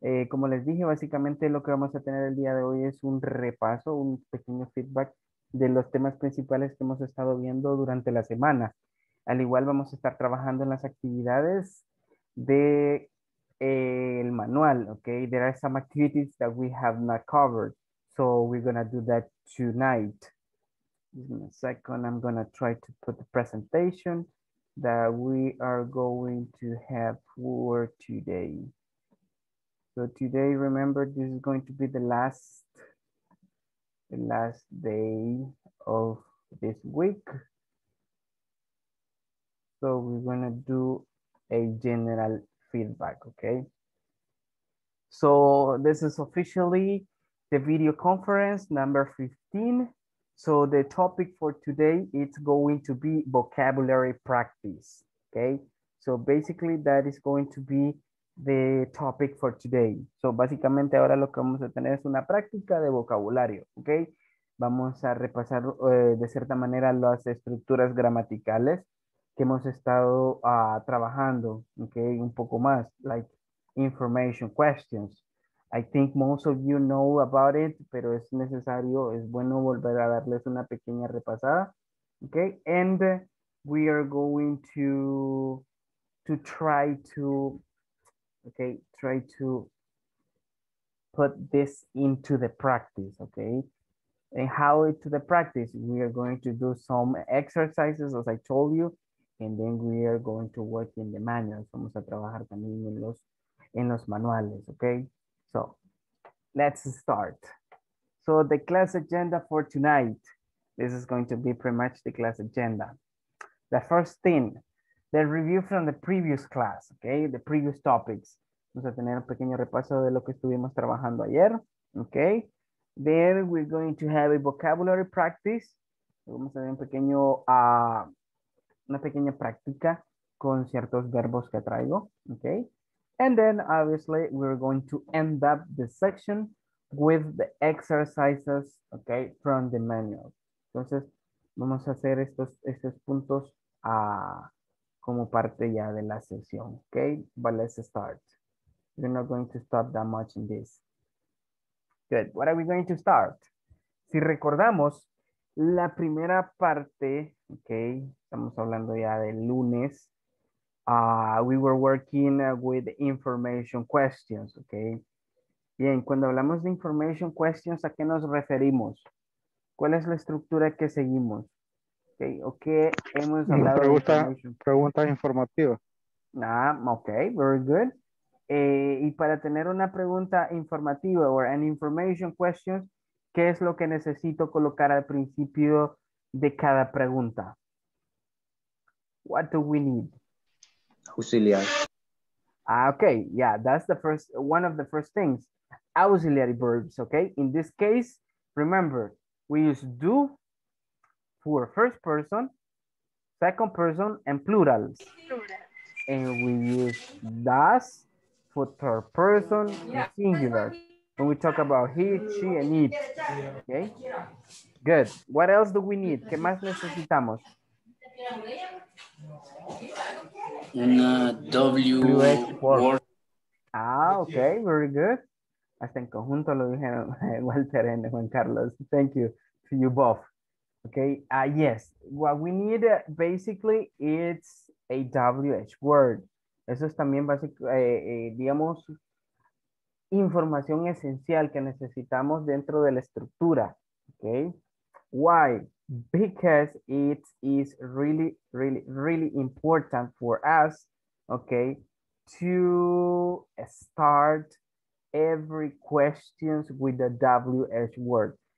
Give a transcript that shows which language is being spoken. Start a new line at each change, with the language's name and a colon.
Spanish: Como les dije, básicamente lo que vamos a tener el día de hoy es un repaso, un pequeño feedback de los temas principales que hemos estado viendo durante la semana. Al igual, vamos a estar trabajando en las actividades del manual, okay?
English: There are some activities that we have not covered, so we're going to do that tonight. In a second, I'm going to try to put the presentation that we are going to have for today. So today, remember, this is going to be the last day of this week. So we're going to do a general feedback, okay? So this is officially the video conference number 15. So the topic for today, it's going to be vocabulary practice, okay? So basically that is going to be the topic for today.
Spanish: So básicamente ahora lo que vamos a tener es una práctica de vocabulario, okay? Vamos a repasar de cierta manera las estructuras gramaticales que hemos estado trabajando, okay? Un poco más,
English: like information questions. I think most of you know about it,
Spanish: pero es necesario, es bueno volver a darles una pequeña repasada, okay?
English: And we are going to try to put this into the practice, okay? And how into the practice? We are going to do some exercises, as I told you, and then we are going to work in the manuals.
Spanish: Vamos a trabajar también en los manuales,
English: okay? So let's start. So the class agenda for tonight, this is going to be pretty much the class agenda. The first thing, the review from the previous class, okay? The previous topics.
Spanish: Vamos a tener un pequeño repaso de lo que estuvimos trabajando ayer, okay?
English: Then we're going to have a vocabulary practice.
Spanish: Vamos a tener un pequeño, una pequeña práctica con ciertos verbos que traigo, okay?
English: And then obviously we're going to end up the section with the exercises, okay, from the manual.
Spanish: Entonces, vamos a hacer estos puntos como parte ya de la sesión, okay?
English: But let's start. We're not going to stop that much in this. Good. What are we going to start?
Spanish: Si recordamos, la primera parte, okay, estamos hablando ya de lunes,
English: we were working with information questions, okay?
Spanish: Bien, cuando hablamos de information questions, ¿a qué nos referimos? ¿Cuál es la estructura que seguimos? Okay, ¿o qué hemos hablado? Pregunta informativa.
English: Ah, ok, very good.
Spanish: Y para tener una pregunta informativa
English: or an information question,
Spanish: ¿qué es lo que necesito colocar al principio de cada pregunta?
English: What do we need?
Spanish: Auxiliar.
English: Ah, ok, yeah, that's the first, one of the first things. Auxiliary verbs, okay? In this case, remember, we use do for first person, second person, and plurals. Plural. And we use does for third person, yeah, and singular. When we talk about he, she, and it. Okay? Good. What else do we need?
Spanish: ¿Qué más necesitamos? Una W word.
English: Ah, okay. Very good.
Spanish: Hasta en conjunto lo dijeron Walter and Juan Carlos.
English: Thank you to you both. Okay, yes. What we need basically is a WH word.
Spanish: Eso es también básico, digamos, información esencial que necesitamos dentro de la estructura.
English: Okay. Why? Because it is really, really, really important for us, okay, to start every questions with the WH word.